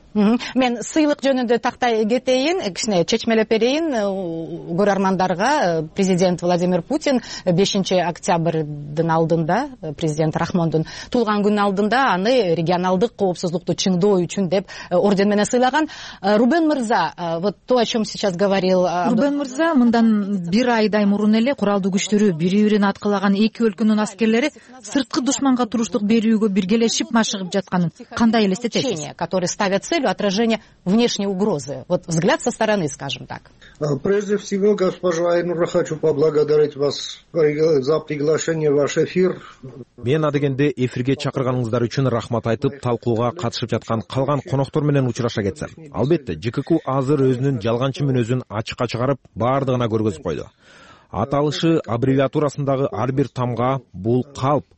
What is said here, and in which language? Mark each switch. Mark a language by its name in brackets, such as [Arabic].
[Kyrgyz] Мен сыйлык жөнүндө тактай кетейин, кичине чечмелеп берейин көрөрмандарга. Президент Владимир Путин 5 октябрдын алдында, президент Рахмондун туулган күнүн алдында аны региональдык коопсуздукту чыңдоо үчүн деп орден менен сыйлаган. [Russian] Рубен мырза, вот то, о чем сейчас говорил. [Kyrgyz] Рубен мырза, мындан бир айдай мурун эле куралдуу күчтөрү бири бирин аткылаган эки өлкөнүн аскерлери сырткы душманга туруштук берүүгө биргелешип машыгып жатканын кандай элестетесиз? [Russian] Которые ставят целью отражения внешней угрозы. Вот взгляд со стороны, скажем так. Прежде всего, госпожа Айнура, хочу поблагодарить вас за приглашение в ваш эфир. [Kyrgyz] Мен адегенде эфирге чакырганыңыздар үчүн рахмат айтып, талкууга катышып жаткан калган коноктор менен учураша кетсем. Албетте, ЖККУ азыр өзүнүн жалганчы мүнөзүн ачыкка чыгарып, бардыгына көргөзүп койду. Аталышы аббревиатурасындагы ар бир тамга бул калп.